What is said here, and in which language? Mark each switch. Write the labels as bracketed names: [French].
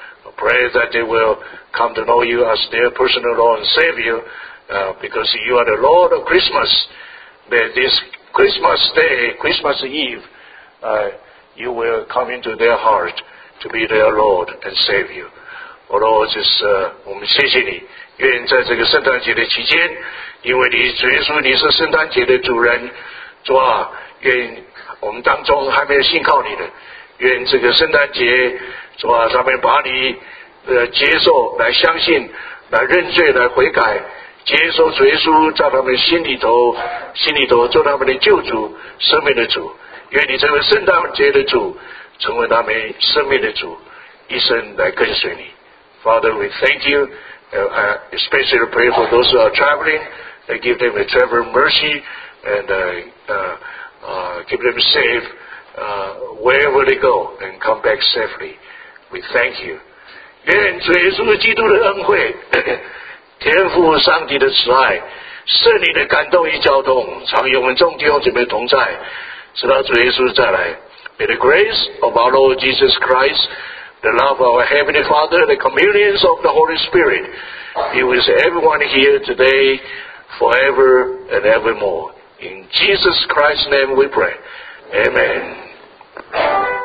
[English] I pray that they will come to know you as their personal Lord and Savior, because you are the Lord of Christmas. May this Christmas day, Christmas Eve, you will come into their heart to be their Lord and Savior. Oh Lord, just, [Chinese] 我们谢谢你，愿在这个圣诞节的期间，因为你主耶稣你是圣诞节的主人，主啊，愿我们当中还没有信靠你的，愿这个圣诞节，主啊，他们把你接受来相信，来认罪来悔改，接受主耶稣在他们心里头做他们的救主，生命的主，愿你成为圣诞节的主，成为他们生命的主，一生来跟随你。 [English] Father, we thank you, especially pray for those who are traveling, and give them a travel mercy, and keep them safe wherever they go and come back safely. We thank you. [Chinese] 愿主耶稣基督的恩惠天父上帝的慈爱圣灵的感动与交通常与我们众弟兄姊妹同在直到主耶稣再来。 [English] May the grace of our Lord Jesus Christ, the love of our Heavenly Father, the communion of the Holy Spirit be with everyone here today forever and evermore. In Jesus Christ's name we pray. Amen.